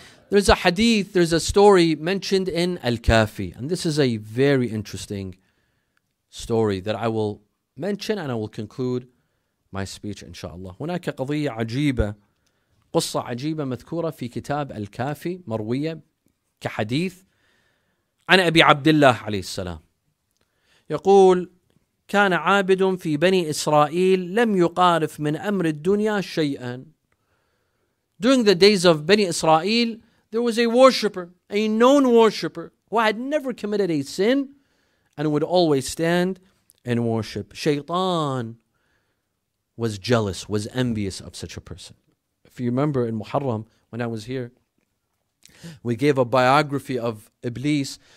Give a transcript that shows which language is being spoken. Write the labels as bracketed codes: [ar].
[en] There's a hadith, there's a story mentioned in Al-Kafi. And this is a very interesting story that I will mention and I will conclude my speech, inshallah. [ar] هناك قضية عجيبة قصة عجيبة مذكورة في كتاب Al-Kafi مروية كحديث عن أبي عبد الله عليه السلام. يقول كان عابد في بني إسرائيل لم يقارف من أمر الدنيا شيئا. [en] During the days of Bani Israel, there was a worshipper, a known worshipper, who had never committed a sin and would always stand and worship. Shaytan was jealous, was envious of such a person. If you remember in Muharram, when I was here, we gave a biography of Iblis.